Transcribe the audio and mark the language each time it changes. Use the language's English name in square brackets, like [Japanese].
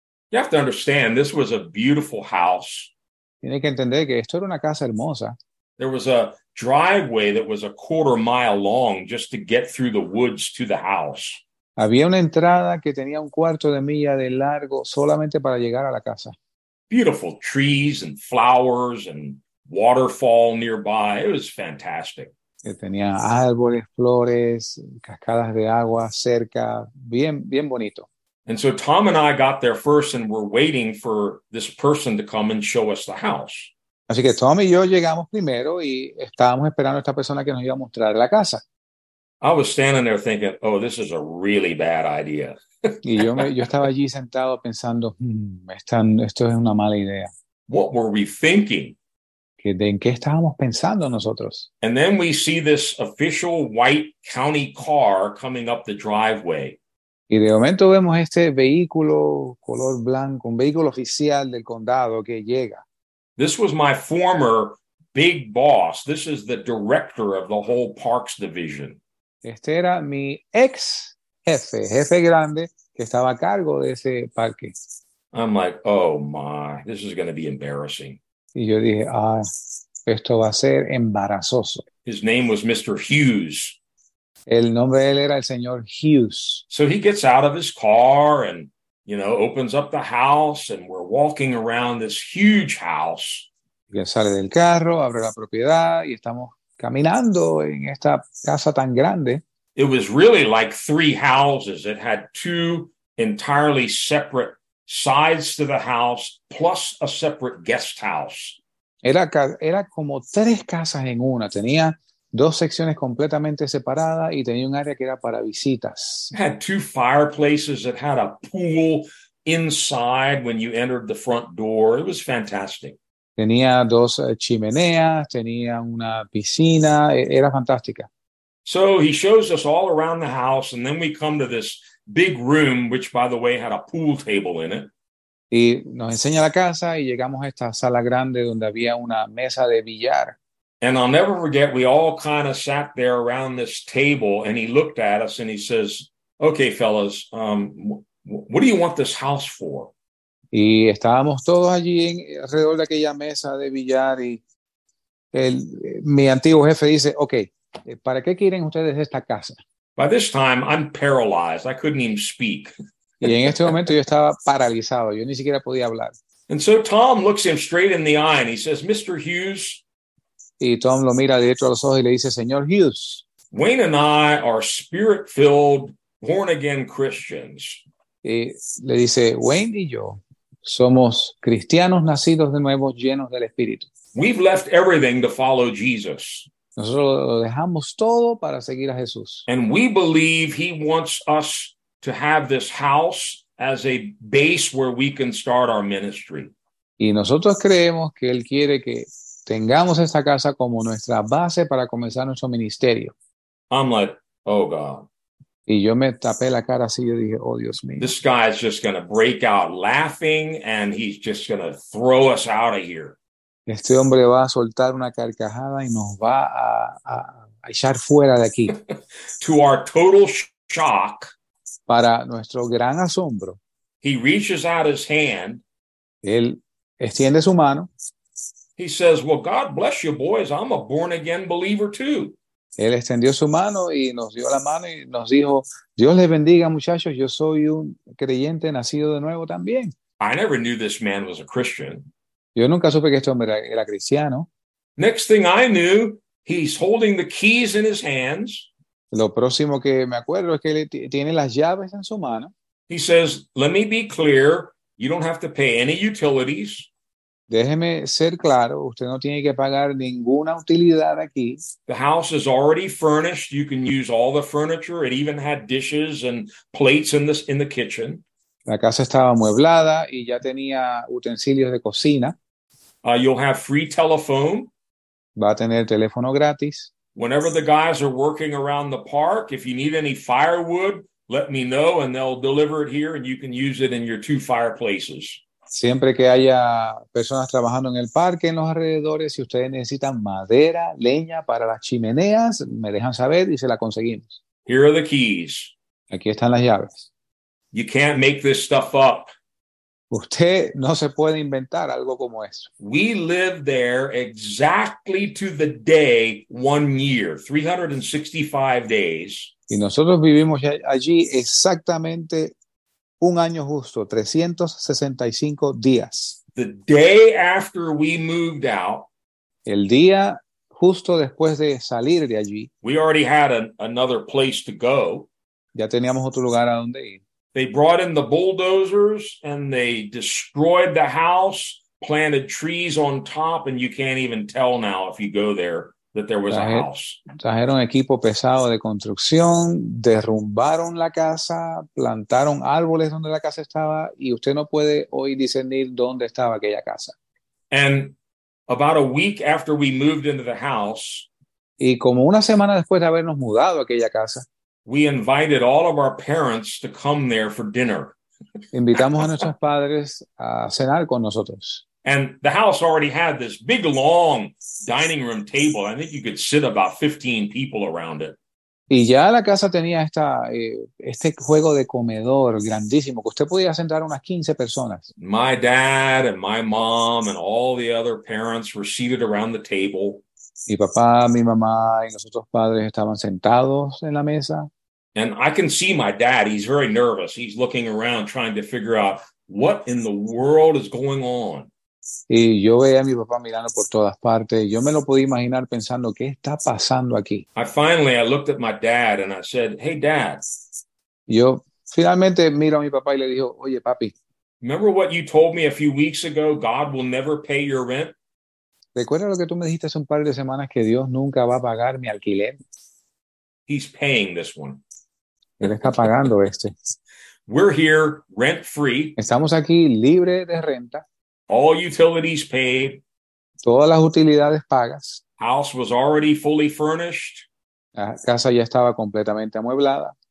[English] You have to understand, this was a beautiful house. [Spanish] Tiene que entender que esto era una casa hermosa. [English] There was a driveway that was a quarter mile long just to get through the woods to the house. [Spanish] Había una entrada que tenía un cuarto de milla de largo solamente para llegar a la casa. [English] Beautiful trees and flowers and waterfall nearby. It was fantastic. [Spanish] Que tenía árboles, flores, cascadas de agua cerca, bien, bien bonito. [English] And so Tom and I got there first and were waiting for this person to come and show us the house. [Spanish] Así que Tom y yo llegamos primero y estábamos esperando a esta persona que nos iba a mostrar la casa. [English] I was standing there thinking, oh, this is a really bad idea. [Spanish] Y yo estaba allí sentado pensando, esto es una mala idea. [English] What were we thinking? [Spanish] ¿De en qué estábamos pensando nosotros? [English] And then we see this official white county car coming up the driveway. [Spanish] Y de momento vemos este vehículo color blanco, un vehículo oficial del condado que llega. [English] This was my former big boss. This is the director of the whole parks division. [Spanish] Este era mi ex jefe, jefe grande, que estaba a cargo de ese parque. [English] I'm like, oh my, this is going to be embarrassing. [Spanish] Y yo dije, esto va a ser embarazoso. [English] His name was Mr. Hughes. [Spanish] El nombre de él era el señor Hughes. [English] So he gets out of his car and, you know, opens up the house and we're walking around this huge house. [Spanish] Y él sale del carro, abre la propiedad y estamos caminando en esta casa tan grande. [English] It was really like three houses. It had two entirely separate sides to the house plus a separate guest house. [Spanish] Era como tres casas en una. Tenía dos secciones completamente separadas y tenía un área que era para visitas. [English] It had two fireplaces. It had a pool inside when you entered the front door. It was fantastic. [Spanish] Tenía dos chimeneas. Tenía una piscina. Era fantástica. [English] So he shows us all around the house, and then we come to this big room, which, by the way, had a pool table in it. [Spanish] Y nos enseña la casa y llegamos a esta sala grande donde había una mesa de billar. [English] And I'll never forget, we all kind of sat there around this table, and he looked at us and he says, okay, fellas, what do you want this house for? [Spanish] Y estábamos todos allí alrededor de aquella mesa de billar y mi antiguo jefe dice, okay, ¿para qué quieren ustedes esta casa? [English] By this time, I'm paralyzed. I couldn't even speak. [Spanish] Y en este momento yo estaba paralizado. Yo ni siquiera podía hablar. [English] And so Tom looks him straight in the eye and he says, Mr. Hughes. [Spanish] Y Tom lo mira directo a los ojos y le dice, Señor Hughes. [English] Wayne and I are spirit-filled, born-again Christians. [Spanish] Y le dice, Wayne y yo somos cristianos nacidos de nuevo, llenos del Espíritu. [English] We've left everything to follow Jesus. [Spanish] Nosotros lo dejamos todo para seguir a Jesús. [English] And we believe he wants us to have this house as a base where we can start our ministry. [Spanish] Y nosotros creemos que él quiere que tengamos esta casa como nuestra base para comenzar nuestro ministerio. [English] I'm like, oh God. [Spanish] Y yo me tapé la cara así y dije, oh Dios mío. [English] This guy is just going to break out laughing and he's just going to throw us out of here. [Spanish] Este hombre va a soltar una carcajada y nos va a echar fuera de aquí. [English] To our total shock, [Spanish] para nuestro gran asombro, [English] he reaches out his hand. [Spanish] Él extiende su mano. [English] He says, well, God bless you, boys. I'm a born-again believer, too. [Spanish] Él extendió su mano y nos dio la mano y nos dijo, Dios les bendiga, muchachos. Yo soy un creyente nacido de nuevo también. [English] I never knew this man was a Christian. [Spanish] Yo nunca supe que este hombre era cristiano. [English] Next thing I knew, he's holding the keys in his hands. [Spanish] Lo próximo que me acuerdo es que él tiene las llaves en su mano. [English] He says, let me be clear, you don't have to pay any utilities. [Spanish] Déjeme ser claro, usted no tiene que pagar ninguna utilidad aquí. [English] The house is already furnished. You can use all the furniture. It even had dishes and plates in the kitchen. [Spanish] La casa estaba amueblada y ya tenía utensilios de cocina. [English] You'll have free telephone. [Spanish] Va a tener teléfono gratis. [English] Whenever the guys are working around the park, if you need any firewood, let me know and they'll deliver it here and you can use it in your two fireplaces. [Spanish] Siempre que haya personas trabajando en el parque, en los alrededores, si ustedes necesitan madera, leña para las chimeneas, me dejan saber y se la conseguimos. [English] Here are the keys. [Spanish] Aquí están las llaves. [English] You can't make this stuff up. [Spanish] Usted no se puede inventar algo como eso. [English] We lived there exactly to the day 1 year, 365 days. [Spanish] Y nosotros vivimos allí exactamente un año justo, 365 días. [English] The day after we moved out, [Spanish] el día justo después de salir de allí, [English] we already had another place to go. [Spanish] Ya teníamos otro lugar a donde ir. [English] They brought in the bulldozers and they destroyed the house, planted trees on top, and you can't even tell now if you go there that there was a house. [Spanish] Trajeron equipo pesado de construcción, derrumbaron la casa, plantaron árboles donde la casa estaba, y usted no puede hoy discernir dónde estaba aquella casa. [English] And about a week after we moved into the house, [Spanish] y como una semana después de habernos mudado a aquella casa, [English] we invited all of our parents to come there for dinner. [Spanish] Invitamos a nuestros padres a cenar con nosotros. [English] And the house already had this big, long dining room table. I think you could sit about 15 people around it. [Spanish] Y ya la casa tenía esta este juego de comedor grandísimo que usted podía sentar unas 15 personas. [English] My dad and my mom and all the other parents were seated around the table. [Spanish] Mi papá, mi mamá y los otros padres estaban sentados en la mesa. [English] And I can see my dad. He's very nervous. He's looking around trying to figure out what in the world is going on. [Spanish] Y yo veía a mi papá mirando por todas partes. Yo me lo podía imaginar pensando, ¿qué está pasando aquí? [English] I finally looked at my dad and I said, hey, dad. [Spanish] Yo finalmente miro a mi papá y le digo, oye, papi. [English] Remember what you told me a few weeks ago? God will never pay your rent. [Spanish] ¿Recuerda lo que tú me dijiste hace un par de semanas que Dios nunca va a pagar mi alquiler? [English] He's paying this one. [Spanish] Él está pagando este. [English] We're here rent free. [Spanish] Estamos aquí libre de renta. [English] All utilities paid. [Spanish] Todas las utilidades pagas. [English] House was already fully furnished. [Spanish] La casa ya estaba completamente amueblada.